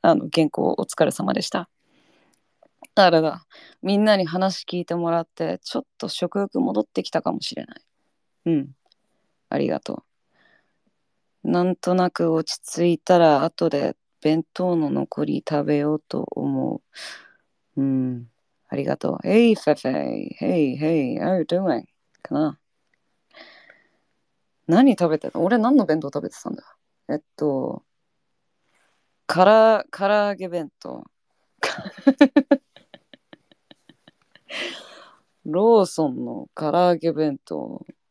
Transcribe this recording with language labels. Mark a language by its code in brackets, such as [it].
[ja] あの原稿お疲れ様でした。あれだ、みんなに話聞いてもらってちょっと食欲戻ってきたかもしれない。うん、ありがとう。なんとなく落ち着いたら後で弁当の残り食べようと思う。うん、ありがとう。 [en] Hey Fefe, Hey, Hey, how are you doing? [ja] かな。何食べてた？俺何の弁当食べてたんだ。から揚げ弁当。ローソンのから揚げ弁当。